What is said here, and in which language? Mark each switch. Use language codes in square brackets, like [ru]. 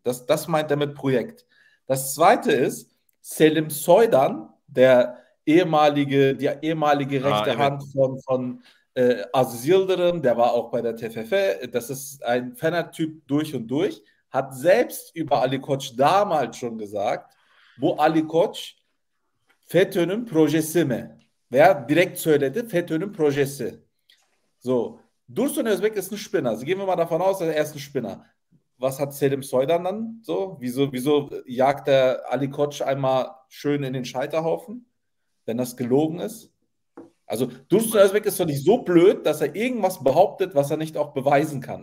[de] Das meint er mit Projekt. Das zweite ist, Selim Soydan, die ehemalige rechte Hand von Aziz Yıldırım, der war auch bei der TFF, das ist ein Fanatyp durch und durch, hat selbst über Ali Koç damals schon gesagt, [tr] bu Ali Koç FETÖ'nün projesi mi? Veya direkt söyledi, FETÖ'nün projesi. [de] So, Dursun Özbek ist ein Spinner. Also gehen wir mal davon aus, er ist ein Spinner. Was hat Selim Soydan dann so? Wieso jagt er Ali Koç einmal schön in den Scheiterhaufen, wenn das gelogen ist? Also Dursun Özbek ist doch nicht so blöd, dass er irgendwas behauptet, was er nicht auch beweisen kann.